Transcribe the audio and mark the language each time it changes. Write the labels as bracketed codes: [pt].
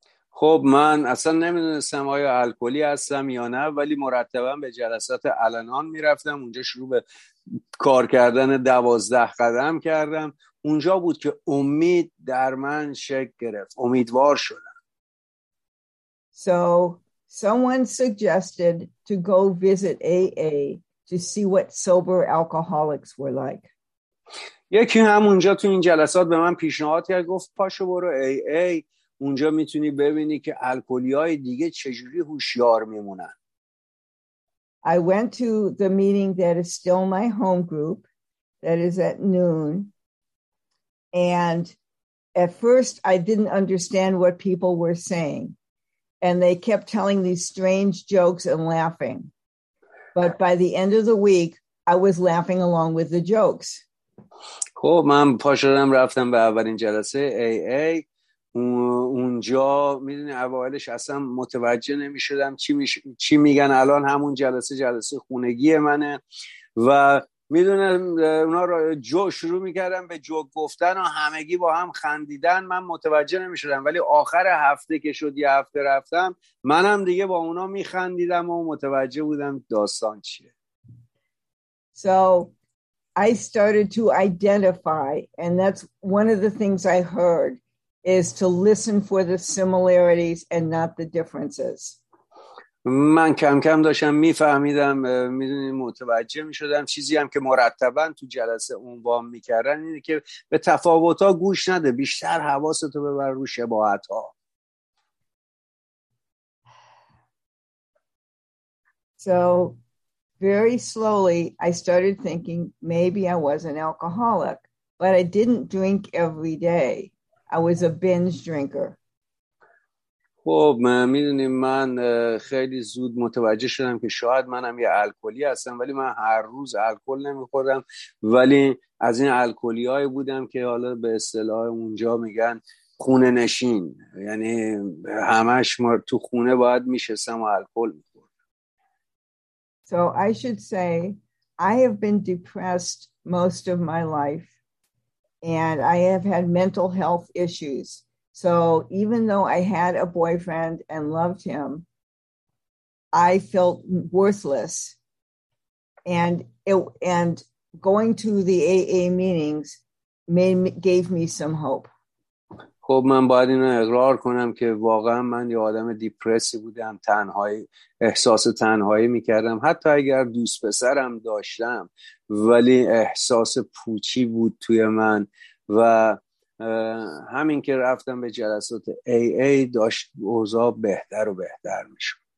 [fa] خب من اصلا نمیدونستم آیا الکلی هستم یا نه، ولی مرتبا به جلسات الانان میرفتم، اونجا شروع به کار کردن 12 قدم کردم، اونجا بود که امید در من شکل گرفت، امیدوار شدم. [en] So someone suggested to go visit AA to see what sober alcoholics were like. [fa] یکی هم اونجا تو این جلسات به من پیشنهاد کرد، گفت پاشو برو AA، اونجا میتونی ببینی که الکلی‌های دیگه چجوری هوشیار میمونن. [en] I went to the meeting that is still my home group that is at noon, and at first I didn't understand what people were saying, and they kept telling these strange jokes and laughing, but by the end of the week I was laughing along with the jokes. [fa] خب من پاشدم رفتم به اولین جلسه AA. اونجا میدونی اوائلش اصلا متوجه نمی شدم چی میگن، الان همون جلسه خونگی منه و میدونم اونا را جو شروع میکردم به جو گفتن و همگی با هم خندیدن، من متوجه نمی شدم، ولی آخر هفته که شد یه هفته رفتم منم دیگه با اونا میخندیدم و متوجه بودم داستان چیه. [en] So I started to identify, and that's one of the things I heard, is to listen for the similarities and not the differences. [fa] من کم کم داشتم میفهمیدم، میدونی متوجه میشدم، چیزی هم که مرتبا تو جلسه عنوان میکردن اینه که به تفاوت‌ها گوش نده، بیشتر حواست رو ببر رو شباهت‌ها. [en] So very slowly I started thinking maybe I was an alcoholic, but I didn't drink every day. I was a binge drinker. [fa] خب میدونی من خیلی زود متوجه شدم که شاید منم یه الکلی هستم، ولی من هر روز الکل نمیخوردم، ولی از این الکلیای بودم که حالا به اصطلاح اونجا میگن خونه نشین، یعنی همش ما تو خونه باید میشستم و الکل میخوردم. [en] So I should say I have been depressed most of my life. And I have had mental health issues. So even though I had a boyfriend and loved him, I felt worthless. And going to the AA meetings gave me some hope. [fa] خب من باید اینو اقرار کنم که واقعا من یه آدم دیپرسی بودم، تنهایی، احساس تنهایی میکردم، حتی اگر دوست پسرم داشتم ولی احساس پوچی بود توی من و همین که رفتم به جلسات AA داشت اوضاع بهتر و بهتر میشد.